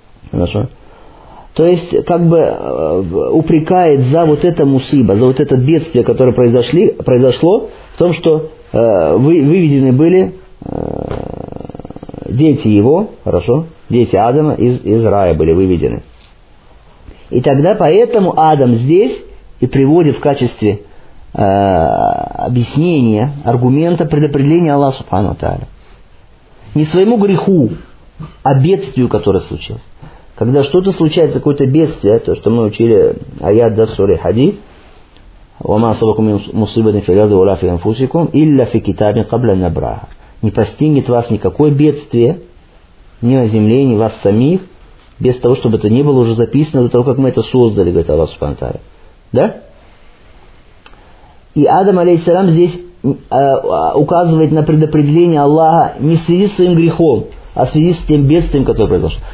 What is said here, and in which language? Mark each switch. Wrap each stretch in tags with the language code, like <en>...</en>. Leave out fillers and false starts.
<ru>Хорошо? То есть, как бы упрекает за вот это мусиба, за вот это бедствие, которое произошло, в том, что выведены были дети его, хорошо, дети Адама из рая были выведены. И тогда поэтому Адам здесь и приводит в качестве объяснения, аргумента предопределения Аллаха субхана ва тааля. Не своему греху, а бедствию, которое случилось. Когда что-то случается, какое-то бедствие, то, что мы учили аят да суре хадис,</ru> <ar>وَمَا أَصَبَكُمْ مِنْ مُصِيبَةٍ فِي الْأَرْضِ وَلَا فِي أَنْفُسِكُمْ إِلَّا فِي كِتَابٍ قَبْلَ أَنْ نَبْرَأَهَا.</ar> <ru>Не постигнет вас никакое бедствие ни на земле, ни вас самих, без того, чтобы это не было уже записано до того, как мы это создали, говорит Аллах субхана ва тааля. Да? И Адам, алейхиссалям, здесь указывает на предопределение Аллаха не в связи с своим грехом, а в связи с тем бедствием, которое произошло.</ru>